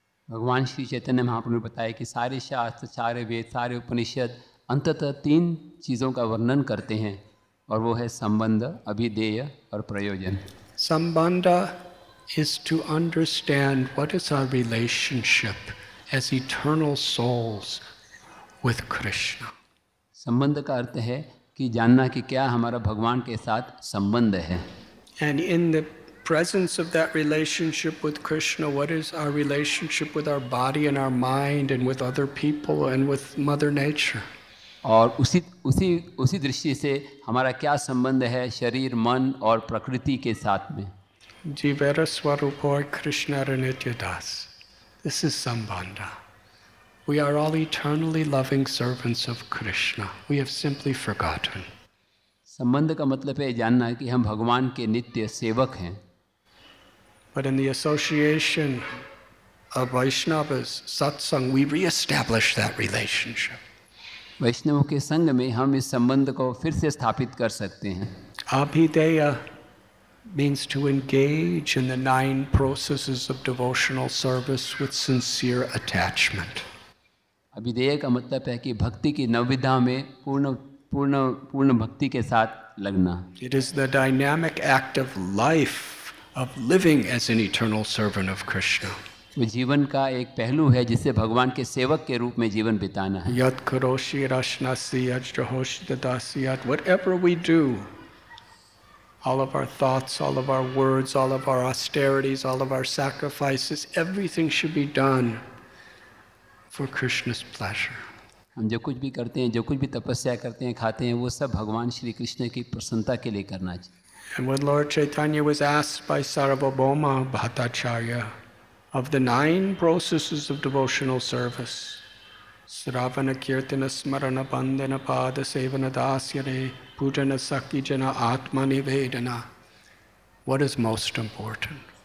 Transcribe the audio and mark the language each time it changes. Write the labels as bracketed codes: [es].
[hi] भगवान श्री चैतन्य महाप्रभु ने बताया कि सारे शास्त्र सारे वेद सारे उपनिषद अंततः तीन चीज़ों का वर्णन करते हैं और वो है संबंध अभिधेय और प्रयोजन [en] संबंध is to understand what is our relationship as eternal souls with Krishna [hi] संबंध का अर्थ है कि जानना कि क्या हमारा भगवान के साथ संबंध है [en] And in the presence of that relationship with Krishna, what is our relationship with our body and our mind and with other people and with Mother Nature? [hi] और उसी दृष्टि से हमारा क्या संबंध है शरीर मन और प्रकृति के साथ में [bn] Jivera Swarupo Krishna Ranitya Das. [en] This is Sambandha. We are all eternally loving servants of Krishna. We have simply forgotten. [hi] संबंध का मतलब है जानना कि हम भगवान के नित्य सेवक हैं [en] But in the association of Vaishnavas, satsang, we re-establish that relationship. [hi] वैष्णव के संग में हम इस संबंध को फिर से स्थापित कर सकते हैं. [en] Abhideya means to engage in the nine processes of devotional service with sincere attachment. [hi] अभिधेय का मतलब है कि भक्ति की नौ विधा में पूर्ण पूर्ण पूर्ण भक्ति के साथ लगना. [en] It is the dynamic act of life. Of living as an eternal servant of Krishna. [hi] वो जीवन का एक पहलू है जिसे भगवान के सेवक के रूप में जीवन बिताना है। [sa] यत करोषि रशनासि यज्जहोषि ददासि यत [en] whatever we do, All of our thoughts, all of our words, all of our austerities, all of our sacrifices, everything should be done for Krishna's pleasure. [hi] हम जो कुछ भी करते हैं, जो कुछ भी तपस्या करते हैं, खाते हैं, वो सब भगवान श्री कृष्ण की प्रसन्नता के लिए करना चाहिए. [en] And when Lord Chaitanya was asked by Sarvabhauma Bhattacharya of the 9 processes of devotional service, Sravana Kirtana Smarana Bandana Pada Sevana Dasyare Pujana Sakijana Atmani Vedana, what is most important?